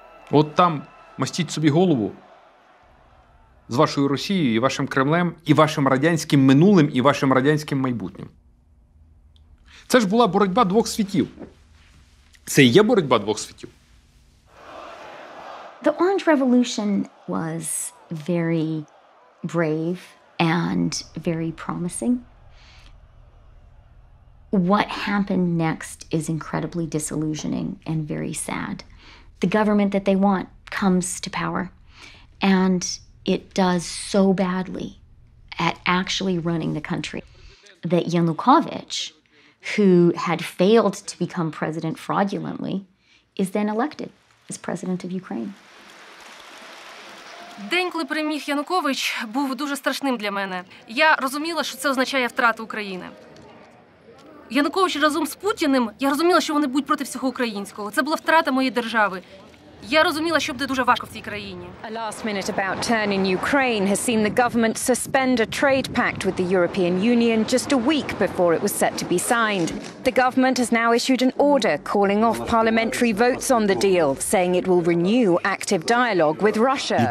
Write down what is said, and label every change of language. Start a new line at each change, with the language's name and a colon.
Ukrainian: От там мастіть собі голову з вашою Росією і вашим Кремлем, і вашим радянським минулим, і вашим радянським майбутнім. Це ж була боротьба двох світів. Це і є боротьба двох світів.
English: The Orange Revolution was very brave and very promising. What happened next is incredibly disillusioning and very sad. The government that they want comes to power, and it does so badly at actually running the country that Yanukovych, who had failed to become president fraudulently, is then elected as president of Ukraine.
Ukrainian: День, коли переміг Янукович, був дуже страшним для мене. Я розуміла, що це означає втрату України. Янукович разом з Путіним, я розуміла, що вони будуть проти всього українського. Це була втрата моєї держави. Я розуміла, що буде дуже важко в цій країні.
English: A last minute about turning Ukraine has seen the government suspend a trade pact with the European Union just a week before it was set to be signed. The government has now issued an order calling off parliamentary votes on the deal, saying it will renew active dialogue with Russia.